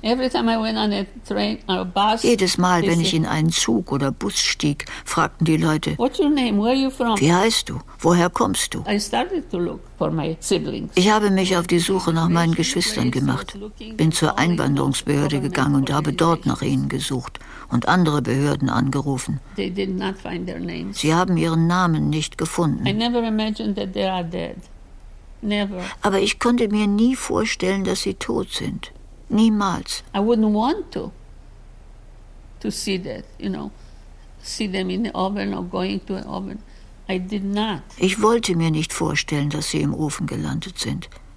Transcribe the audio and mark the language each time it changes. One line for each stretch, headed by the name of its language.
English: Every time I went on a train or a bus,
German: jedes Mal, wenn ich in einen Zug oder Bus stieg, fragten die Leute,
English: what's your name? Where are you from?
German: Wie heißt du? Woher kommst du?
English: I started to look for my siblings.
German: Ich habe mich auf die Suche nach meinen Geschwistern gemacht, bin zur Einwanderungsbehörde gegangen und habe dort nach ihnen gesucht und andere Behörden angerufen.
English: They did not find their names.
German: Sie haben ihren Namen nicht gefunden.
English: I never imagined that they are dead. Never.
German: Aber ich konnte mir nie vorstellen, dass sie tot sind. Niemals.
English: I wouldn't want to see that, you know, see them in the oven or going to an oven. I did not.
German: Ich wollte mir nicht vorstellen, dass sie im Ofen gelandet sind.